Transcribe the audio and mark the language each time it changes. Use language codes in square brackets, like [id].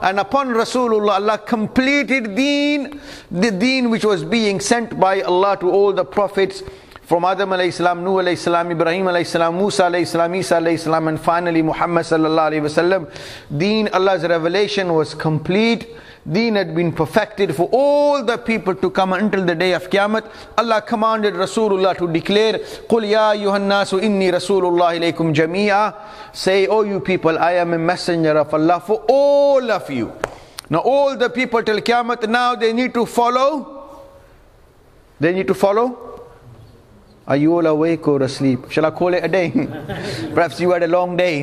[en] And upon Rasulullah, Allah completed deen. The deen which was being sent by Allah to all the prophets. from Adam alayhi salam, Nuh alayhi salam, Ibrahim alayhi salam, Musa alayhi salam, Isa alayhi salam, and finally Muhammad sallallahu alayhi wasallam. Deen, Allah's revelation was complete. Deen had been perfected for all the people to come until the day of Qiyamah. Allah commanded Rasulullah to declare, [ar] قُلْ يَا أَيُّهَا النَّاسُ إِنِّي رَسُولُ اللَّهِ إِلَيْكُمْ جَمِيعًا. [en] Say, O you people, I am a messenger of Allah for all of you. Now all the people till Qiyamah, now they need to follow. Are you all awake or asleep? Shall I call it a day? Perhaps you had a long day.